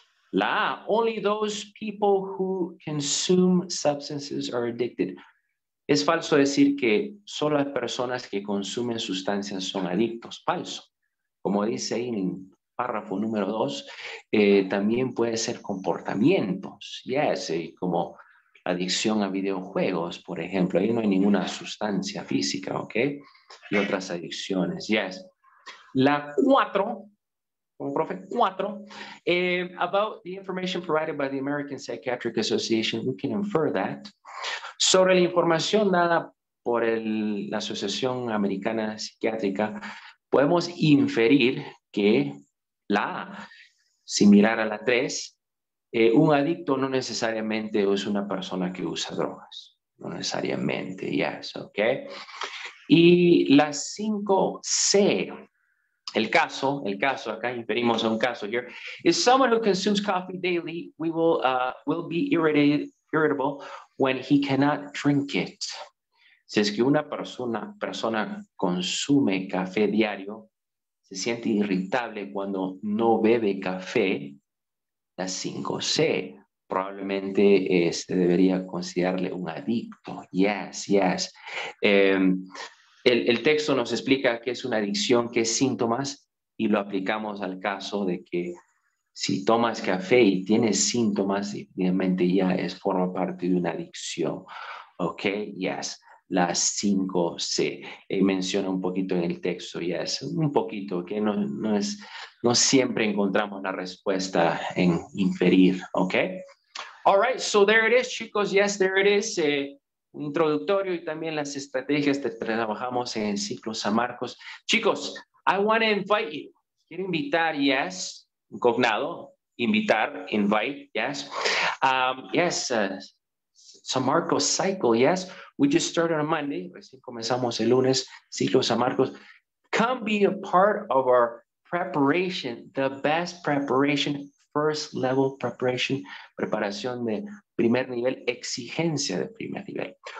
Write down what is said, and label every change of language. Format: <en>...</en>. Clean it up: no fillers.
<en>La A, only those people who consume substances are addicted.</en> <es>Es falso decir que solo las personas que consumen sustancias son adictos. Falso. Como dice ahí en párrafo número 2, también puede ser comportamientos.</es> <en>Yes,</en> <es>como adicción a videojuegos, por ejemplo. Ahí no hay ninguna sustancia física, ¿ok? Y otras adicciones,</es> <en>yes.</en> <es>La 4, como profe, 4.</es> <en>About the information provided by the American Psychiatric Association, we can infer that.</en> <es>Sobre la información dada por la Asociación Americana Psiquiátrica, podemos inferir que la A, similar a la 3, un adicto no necesariamente es una persona que usa drogas. No necesariamente,</es> <en>yes, ok.</en> <es>Y la 5C, el caso, acá inferimos a un caso here.</es> <en>If someone who consumes coffee daily, we will be irritable when he cannot drink it.</en> <es>Si es que una persona consume café diario, se siente irritable cuando no bebe café, la 5C, probablemente se debería considerarle un adicto. Yes, yes. El texto nos explica qué es una adicción, qué síntomas, y lo aplicamos al caso de que si tomas café y tienes síntomas, obviamente ya forma parte de una adicción.</es> <en>Okay, yes,</en> <es>las 5C. Menciona un poquito en el texto, yes, un poquito, que okay? No siempre encontramos la respuesta en inferir, okay?</es> <en>All right, so there it is,</en> <es>chicos,</es> <en>yes, there it is.</en> <es>Introductorio y también las estrategias que trabajamos en el ciclo San Marcos.</es> <en>Chicos, I want to invite you.</en> <es>Quiero invitar, yes, cognado, invitar, invite, yes.</es> <en>Yes, San Marcos cycle, yes. We just started on Monday,</en> <es>recién comenzamos el lunes, ciclo San Marcos.</es> <en>Come be a part of our preparation, the best preparation, first level preparation,</en> <es>preparación de primer nivel,</es> <en>exigencia de primer nivel.</en>